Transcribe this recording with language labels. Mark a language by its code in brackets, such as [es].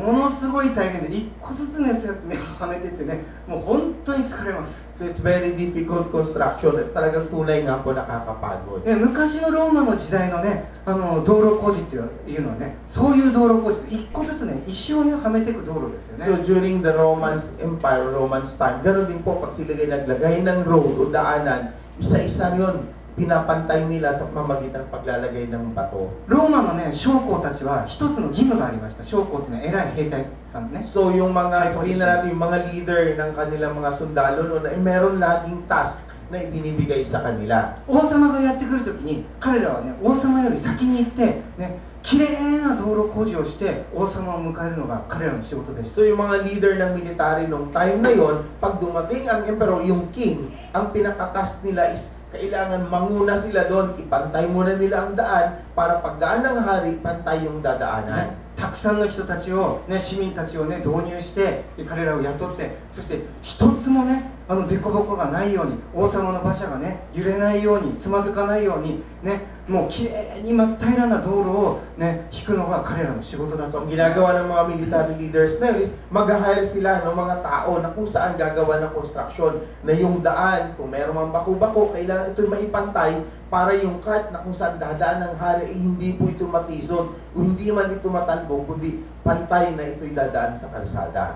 [ja] ものすごい大変で、一個ずつね、そうやってね、はめていってね、もう本当に疲れます。 [en] So it's very difficult construction. [tl] Talagang tunay nga po nakakapagod. [ja] Yeah, 昔のローマの時代のね、あの道路工事っていうのはね、そういう道路工事、一個ずつね、石をね、はめていく道路ですよね。 [en] So during the Roman Empire, Roman time, [tl] ganun din po pag sila naglagay ng road o daanan, isa-isa yun, pinapantay nila sa pamamagitan ng paglalagay ng bato. [ja] Roma のね、将校たちは一つの義務がありました。将校というのは偉い兵隊さんね。 [tl] So yung mga itinerary, yung mga leader ng kanilang mga sundalo noon ay meron laging task na ibinibigay sa kanila. [ja] 王様がやってくるときに、彼らはね、王様より先に行ってね、綺麗な道路工事をして王様を迎えるのが彼らの仕事でした。 [tl] So yung mga leader ng military noong time na yon, pag dumating ang emperor, yung king, ang pinaka-task nila is kailangan manguna sila doon, ipantay muna nila ang daan para pagdaan ng hari, pantay yung dadaanan. [ja] たくさんの人たちを、ね、市民たちを、ね、導入して、彼らを雇って、そして一つもね、あの凸凹がないように、王様の馬車がね、揺れないように、つまずかないように、ね、もうきれいに真っ平らな道路を、ね、引くのが彼らの仕事だと。 [tl] ginagawa ng mga military leaders na yun is mag-hire sila ng mga tao na kung saan gagawa ng construction na yung daan, kung meron mang bako-bako, kailangan ito maipantay para yung cart na kung saan dadaan ng hari ay hindi po ito matisod, hindi man ito matalbog, kundi pantay na ito'y dadaan sa kalsada.